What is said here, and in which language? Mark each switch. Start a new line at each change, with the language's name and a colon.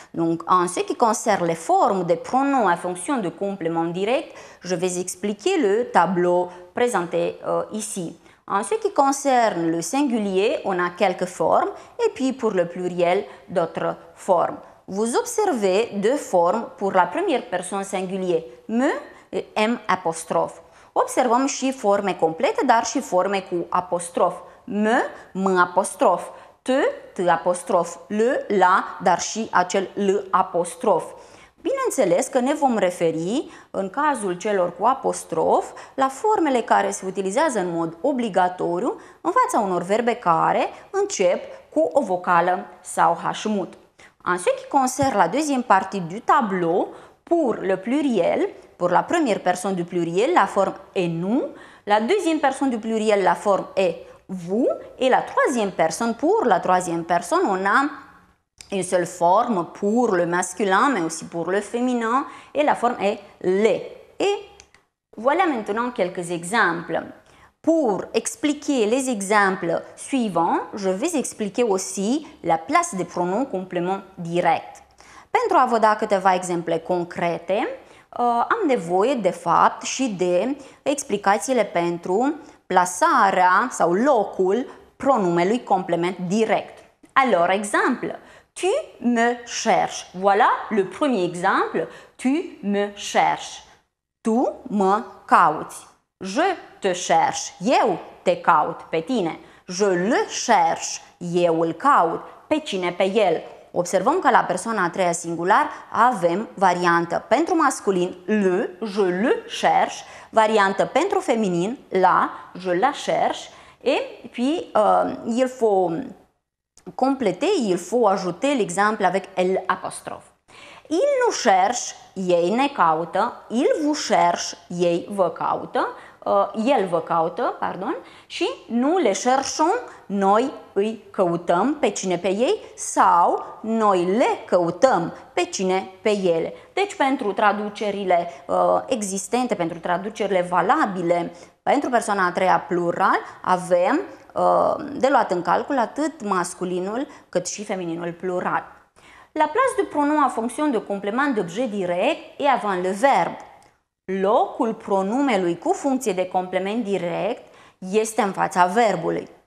French: Donc, en ce qui concerne les formes des pronoms à fonction de complément direct, je vais expliquer le tableau présenté ici. En ce qui concerne le singulier, on a quelques formes et puis pour le pluriel, d'autres formes. Vous observez deux formes pour la première personne singulier, me et m apostrophe. Observons aussi formes complètes,
Romanian: dar și forme cu
French: apostrophe. Me, m apostrophe, te, t apostrophe, le, la,
Romanian: dar și acel
French: l apostrophe.
Romanian: Bineînțeles că ne vom referi, în cazul celor cu apostrof, la formele care se utilizează în mod obligatoriu în fața unor verbe care încep cu o vocală sau hașmut.
French: En ce qui concerne la deuxième partie du tableau, pour le pluriel, pour la première personne du pluriel, la forme est nous, la deuxième personne du pluriel, la forme est vous, et la troisième personne, pour la troisième personne, on a une seule forme pour le masculin, mais aussi pour le féminin, et la forme est les. Et voilà maintenant quelques exemples. Pour expliquer les exemples suivants, je vais expliquer aussi la place des pronoms complément direct.
Romanian: Pentru a vă da câteva exemple concrete, am nevoie de fapt și de explicațiile pentru plasarea sau locul pronumelui complement direct.
French: Alors, exemple, tu me cherches. Voilà le premier exemple, tu me cherches.
Romanian: Tu mă cauți.
French: Je te cherche,
Romanian: eu te caut pe tine.
French: Je le cherche,
Romanian: eu îl caut pe cine, pe el. Observăm că la persoana a treia singular avem variantă pentru masculin, le,
French: je le cherche,
Romanian: variantă pentru feminin, la,
French: je la cherche. Et puis, il faut compléter, il faut ajouter l'exemple avec l apostrophe. Il nous cherche,
Romanian: ei ne caută,
French: il vous cherche,
Romanian: ei vă caută, el vă caută, pardon, și
French: nous le cherchons,
Romanian: noi îi căutăm pe cine pe ei sau noi le căutăm pe cine pe ele. Deci pentru traducerile existente, pentru traducerile valabile, pentru persoana a treia plural, avem de luat în calcul atât masculinul cât și femininul plural.
French: La place du pronom en fonction de complément d'objet direct et avant le verbe.
Romanian: Locul pronumelui cu funcție de complement direct este în fața verbului.